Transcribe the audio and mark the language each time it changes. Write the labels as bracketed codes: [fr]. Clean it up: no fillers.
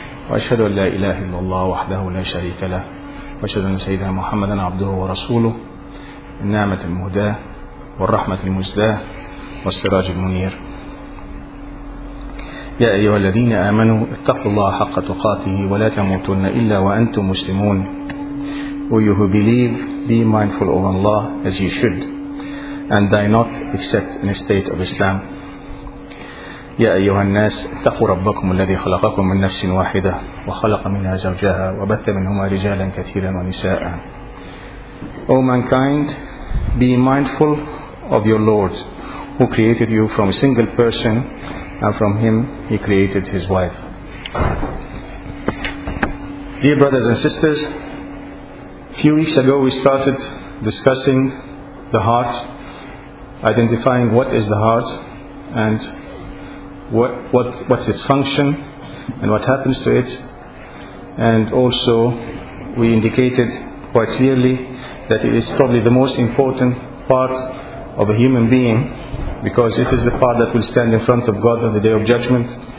[ar] وأشهد أن لا إله إلا الله وحده لا شريك له وأشهد أن سيدنا محمدا عبده ورسوله النعمة المهداة والرحمة المزداة والسراج المنير. يا أيها الذين آمنوا اتقوا الله حق تقاته ولا تموتن إلا وأنتم مسلمون. [en] Will you who believe, be mindful of Allah as you should, and die not except in a state of Islam. [ar] يا أيها الناس اتقوا ربكم الذي خلقكم من نفس واحدة وخلق منها زوجها وبث منهما رجالا كثيرا ونساء. [en] O mankind, be mindful of your Lord, who created you from a single person, and from him he created his wife. Dear brothers and sisters, few weeks ago we started discussing the heart, identifying what is the heart and what's its function and what happens to it, and also we indicated quite clearly that it is probably the most important part of a human being, because it is the part that will stand in front of God on the Day of Judgment.